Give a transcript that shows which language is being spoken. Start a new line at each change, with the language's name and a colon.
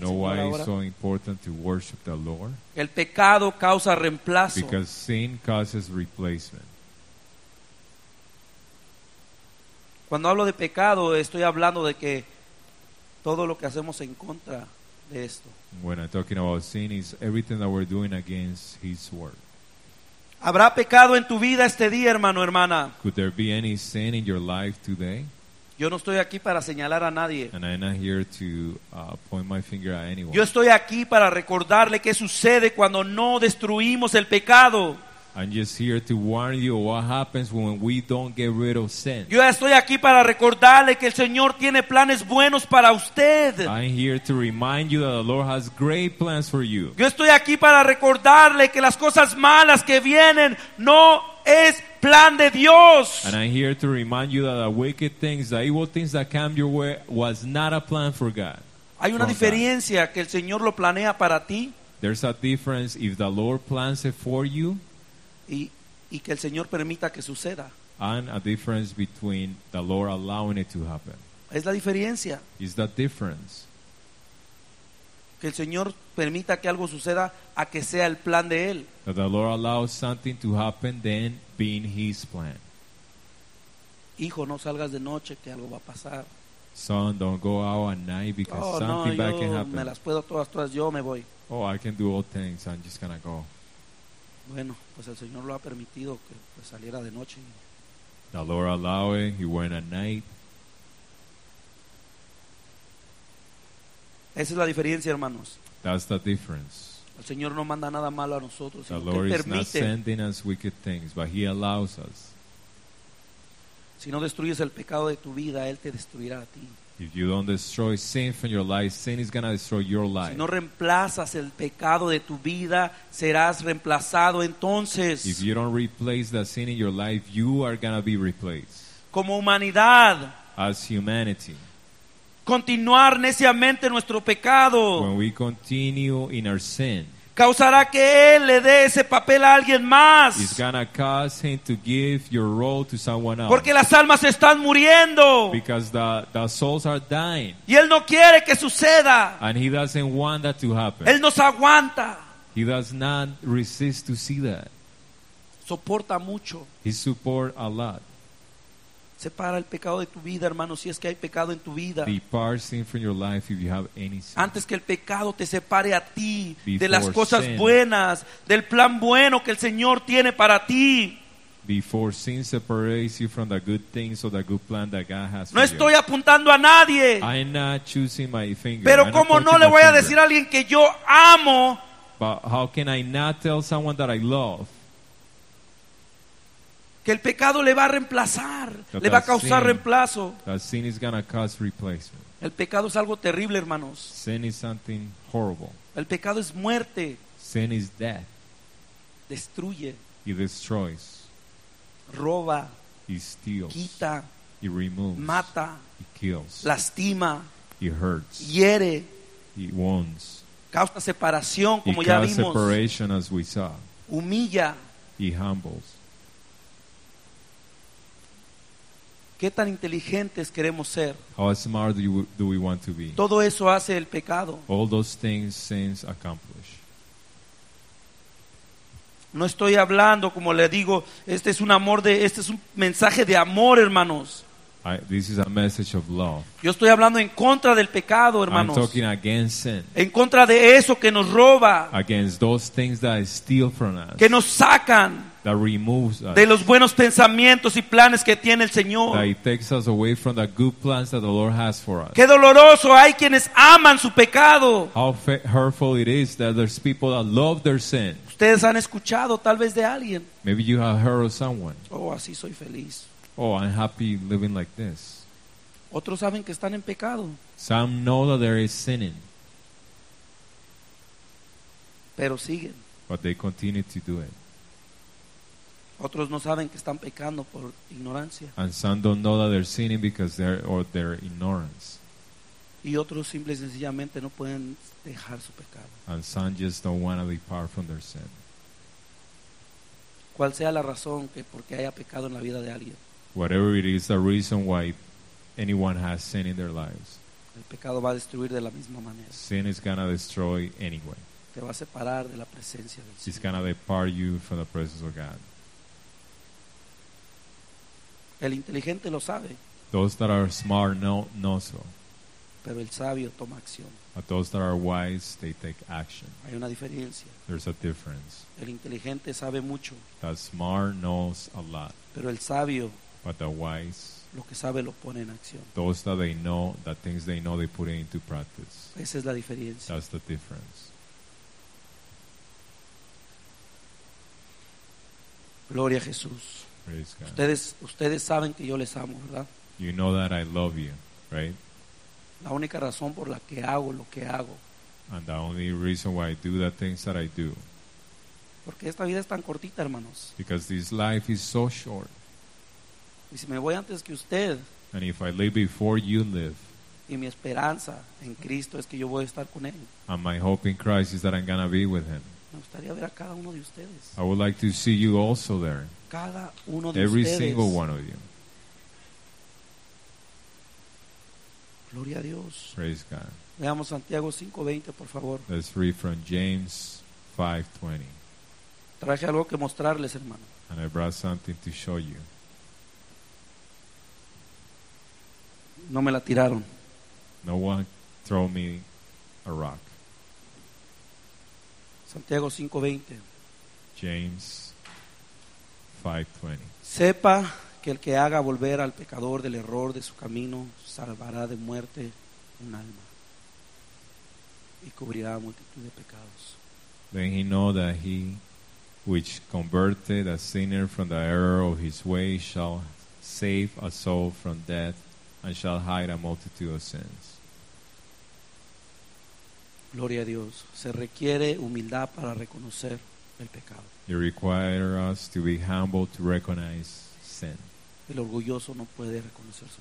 English: Do you know why it's so important to worship the Lord?
Spanish: El pecado causa reemplazo.
English: Because sin causes replacement.
Spanish: Cuando hablo de pecado, estoy hablando de que todo lo que hacemos en contra de esto.
English: When I'm talking about sin, is everything that we're doing against His word.
Spanish: ¿Habrá pecado en tu vida este día, hermano, hermana?
English: Could there be any sin in your life today?
Spanish: Yo no estoy aquí para señalar a nadie.
English: And I'm not here to point my finger at anyone.
Spanish: Yo estoy aquí para recordarle qué sucede cuando no destruimos el pecado.
English: I'm just here to warn you what happens when we don't get rid of sin.
Spanish: Yo estoy aquí para recordarle que el Señor tiene planes buenos para usted.
English: I'm here to remind you that the Lord has great plans for you.
Spanish: Yo estoy aquí para recordarle que las cosas malas que vienen no es plan de Dios.
English: And I'm here to remind you that the wicked things, the evil things that come your way was not a plan for God.
Spanish: Hay una diferencia que el Señor lo planea para ti.
English: There's a difference if the Lord plans it for you.
Spanish: Y que el Señor permita que suceda.
English: And a difference between the Lord allowing it to happen.
Spanish: Es la diferencia.
English: Is the difference.
Spanish: Que el Señor permita que algo suceda a que sea el plan de Él.
English: That the Lord allows something to happen then being His plan.
Spanish: Hijo, no salgas de noche que algo va a pasar.
English: Son, don't go out at night because something bad can happen.
Spanish: Me las puedo todas, yo me voy.
English: Oh, I can do all things, I'm just gonna go.
Spanish: Bueno, pues el Señor lo ha permitido que pues saliera de noche.
English: The Lord allowed it, he went at night.
Spanish: Esa es la diferencia, hermanos.
English: That's the difference.
Spanish: El Señor no manda nada malo a nosotros.
English: The Lord is not sending us wicked things, but he allows us.
Spanish: Si no destruyes el pecado de tu vida, Él te destruirá a ti.
English: If you don't destroy sin from your life, sin is going to destroy your life.
Spanish: Si no reemplazas el pecado de tu vida, serás reemplazado entonces.
English: If you don't replace the sin in your life, you are going to be replaced.
Spanish: Como humanidad.
English: As humanity.
Spanish: Continuar neciamente nuestro pecado.
English: When we continue in our sin.
Spanish: causará que él le dé ese papel a alguien más.
English: It's gonna cause him to give your role to someone else.
Spanish: Porque las almas están muriendo.
English: Because the souls are dying.
Spanish: Y él no quiere que suceda.
English: And he doesn't want that to happen.
Spanish: Él no se aguanta.
English: He does not resist to see that.
Spanish: Soporta mucho.
English: He supports a lot.
Spanish: Separa el pecado de tu vida, hermano, si es que hay pecado en tu vida.
English: Depart sin from your life if you have any sin.
Spanish: Antes que el pecado te separe a ti de las cosas buenas, del plan bueno que el Señor tiene para ti.
English: Before sin separates you from the good things or the good plan that God has for you.
Spanish: No estoy apuntando a nadie.
English: I'm not choosing my finger.
Spanish: Pero cómo no le voy a decir a alguien que yo amo.
English: But how can I not tell someone that I love?
Spanish: Que el pecado le va a reemplazar, le va a causar reemplazo.
English: Sin is gonna cause replacement.
Spanish: El pecado es algo terrible, hermanos.
English: Sin is something horrible.
Spanish: El pecado es muerte.
English: Sin is death.
Spanish: Destruye.
English: It destroys.
Spanish: Roba.
English: It steals.
Spanish: Quita.
English: It removes.
Spanish: Mata.
English: It kills.
Spanish: Lastima.
English: It hurts.
Spanish: Hiere.
English: It wounds.
Spanish: Causa separación, como
English: it
Spanish: ya vimos.
English: Separation, as we saw.
Spanish: Humilla.
English: It humbles.
Spanish: ¿Qué tan inteligentes queremos ser?
English: How smart do we want to be?
Spanish: Todo eso hace el pecado.
English: All those things sins accomplish.
Spanish: No estoy hablando, como le digo, este es un mensaje de amor, hermanos.
English: This is a message of love.
Spanish: Yo estoy hablando en contra del pecado, hermanos.
English: I'm talking against sin.
Spanish: En contra de eso que nos roba.
English: Against those things that steal from us.
Spanish: Que nos sacan.
English: That removes us.
Spanish: De los buenos pensamientos y planes que tiene el Señor.
English: That takes us away from the good plans that the Lord has for us.
Spanish: Qué doloroso, hay quienes aman su pecado.
English: How hurtful it is that there's people that love their sin.
Spanish: Ustedes han escuchado tal vez de alguien.
English: Maybe you have heard of someone.
Spanish: Oh, así soy feliz.
English: Oh, I'm happy living like this.
Spanish: Otros saben que están en pecado.
English: Some know that there is sinning.
Spanish: Pero siguen.
English: But they continue to do it.
Spanish: Otros no saben que están pecando por ignorancia.
English: And some don't know that they're sinning because they're or their ignorance.
Spanish: Y otros simple y sencillamente no pueden dejar su pecado.
English: And some just don't want to depart from their sin.
Spanish: Cual sea la razón que porque haya pecado en la vida de alguien.
English: Whatever it is, the reason why anyone has sin in their lives.
Spanish: El pecado va a destruir de la misma manera.
English: Sin is gonna destroy anyway.
Spanish: Te va a separar de la presencia del Señor.
English: It's gonna depart you from the presence of God.
Spanish: El inteligente lo sabe.
English: Those that are smart know so.
Spanish: Pero el sabio toma acción.
English: But those that are wise, they take action.
Spanish: Hay una diferencia.
English: There's a difference.
Spanish: El inteligente sabe mucho.
English: The smart knows a lot.
Spanish: Pero el sabio,
English: but the wise,
Spanish: lo que sabe lo pone en acción.
English: Those that they know, the things they know, they put it into practice.
Spanish: Esa es la diferencia.
English: That's the difference.
Spanish: Gloria a Jesús.
English: Praise God.
Spanish: Ustedes saben que yo les amo, ¿verdad?
English: You know that I love you, right?
Spanish: La única razón por la que hago lo que hago.
English: And the only reason why I do the things that I do.
Spanish: Porque esta vida es tan cortita, hermanos.
English: Because this life is so short.
Spanish: Y si me voy antes que usted.
English: And if I leave before you live.
Spanish: Y mi esperanza en Cristo es que yo voy a estar con él.
English: And my hope in Christ is that I'm gonna be with him.
Spanish: Me gustaría ver a cada uno de ustedes.
English: I would like to see you also there.
Spanish: Cada uno de
English: every
Spanish: ustedes.
English: Every single one of you.
Spanish: Gloria a Dios.
English: Praise God.
Spanish: Veamos Santiago 5:20, por favor.
English: Let's read from James 5:20.
Spanish: Traje algo que mostrarles, hermano.
English: And I brought something to show you.
Spanish: No me la tiraron.
English: No one throw me a rock.
Spanish: Santiago 5:20.
English: James 5:20.
Spanish: Sepa que el que haga volver al pecador del error de su camino salvará de muerte un alma y cubrirá multitud de pecados.
English: Then he know that he which converted a sinner from the error of his way shall save a soul from death and shall hide a multitude of sins.
Spanish: Gloria a Dios. Se requiere humildad para reconocer el pecado.
English: It requires us to be humble to recognize sin.
Spanish: El orgulloso no puede reconocer su